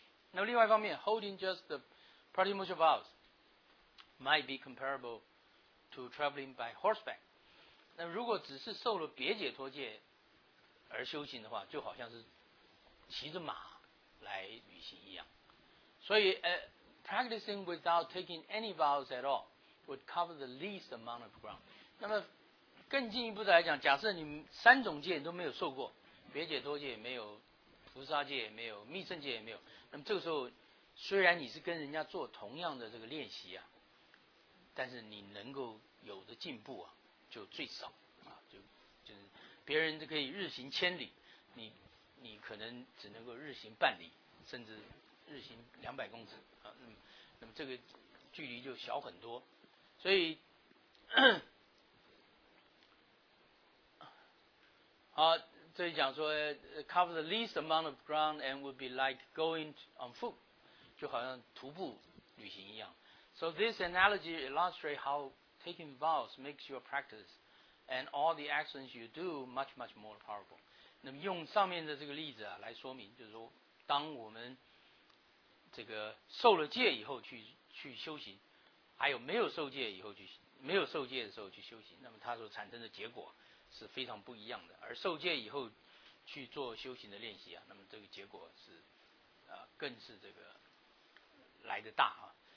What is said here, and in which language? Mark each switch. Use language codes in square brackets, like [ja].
[zh] 那么另外一方面 [en] ，holding just the pratimoksha vows might be comparable to traveling by horseback。 [zh] 那如果只是受了别解脱戒而修行的话，就好像是骑着马来旅行一样。所以， [en] practicing without taking any vows at all would cover the least amount of ground。 [zh] 那么更进一步的来讲，假设你三种戒都没有受过，别解脱戒也没有，菩萨戒也没有，密圣戒也没有，那么这个时候虽然你是跟人家做同样的这个练习啊，但是你能够有的进步啊就最少啊，就是别人都可以日行千里，你可能只能够日行半里，甚至日行200公尺啊，那么这个距离就小很多。所以这里讲说 [en] cover the least amount of ground and would be like going on foot， [zh] 就好像徒步旅行一样。 [en] So this analogy illustrates how taking vows makes your practice and all the actions you do much much more powerful。 [zh] 那么用上面的这个例子啊来说明，就是说当我们这个受了戒以后去修行，还有没有受戒以后去，没有受戒的时候去修行，那么它所产生的结果是非常不一样的，而受戒以后去做修行的练习啊，那么这个结果是更是这个来得大啊。